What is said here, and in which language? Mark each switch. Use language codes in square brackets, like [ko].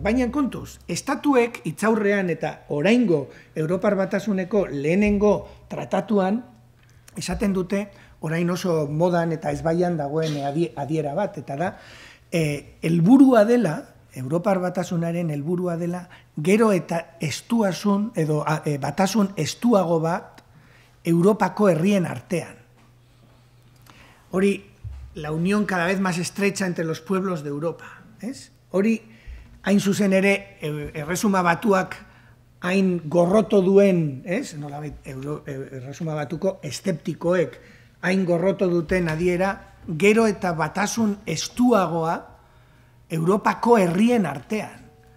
[eu] Baina kontuz, estatuek itzaurrean eta oraingo Europar batasuneko lehenengo tratatuan esaten dute orain oso modan eta ezbaian dagoen adiera bat, eta da, helburua dela, Europar batasunaren helburua dela, gero eta estuasun edo batasun estuago bat Europako herrien artean. Hori, [es] la unión cada vez más estrecha entre los pueblos de Europa, ¿es? [eu] Hori, hain zuzen ere, Erresuma Batuak hain gorroto duen, ¿es? Nolabait, Erresuma Batuko esteptikoek hain gorroto duten adiera, gero eta batasun estuagoa Europako herrien artean.